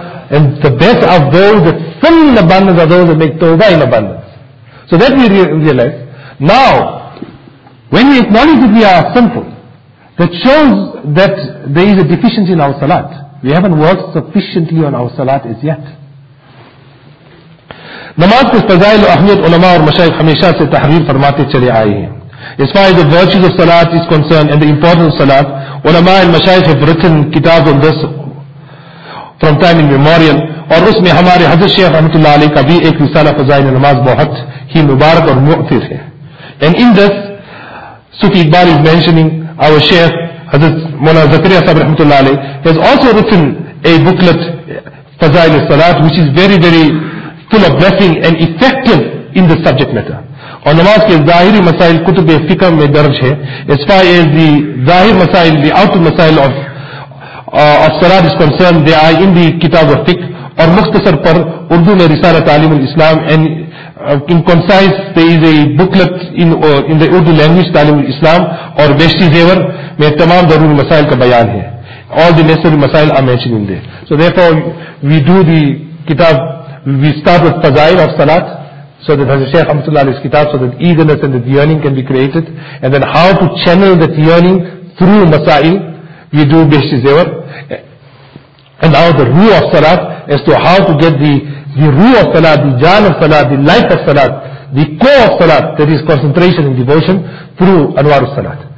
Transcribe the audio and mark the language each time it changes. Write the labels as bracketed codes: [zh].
[en] And the best of those that sin in abundance are those that make tawbah in abundance. So that we realize. Now, when we acknowledge that we are sinful, that shows that there is a deficiency in our salat. We haven't worked sufficiently on our salat as yet. [ur] نماز کے فضائل و اہمیت علماء اور مشایخ ہمیشہ سے تحریر فرماتے چلے آئے ہیں. [en] As far as the virtues of salat is concerned and the importance of salat, علماء and مشایخ have written kitab on this from time immemorial. [ur] اور اس میں ہمارے حضرت شیخ رحمت اللہ علیہ کا بھی ایک رسالہ فضائل نماز بہت ہی مبارک اور مؤثر ہے. [en] And in this, Sufi Iqbal is mentioning our Shaykh [ur] حضرت مولانا زکریہ صاحب رحمت اللہ علیہ [en] has also written a booklet Fazail salat, which is very very full of blessing and effective in the subject matter. [ur] اور نماز کے ظاہری مسائل کتب فقہ میں درج ہے. [en] As far as the [ur] ظاہر مسائل, [en] the outer مسائل of salat is concerned, they are in the kitab of fiqh. [ur] اور مختصر پر اردو میں رسالہ تعلیم الاسلام [en] and in concise there is a booklet in the Urdu language [ur] تعلیم الاسلام اور بیشتی زیور میں تمام ضروری مسائل کا بیان ہے. [en] All the necessary مسائل are mentioned in there. So therefore we do the kitab. We start with Fazail of Salat, so that Hazrat Shaykh Hamdullah Ali's kitab, so that eagerness and the yearning can be created, and then how to channel that yearning through Masail, we do Beshti Zewar, and now the Ruh of Salat, as to how to get the Ruh of Salat, the Jaan of Salat, the life of Salat, the core of Salat, that is concentration and devotion, through Anwar of Salat.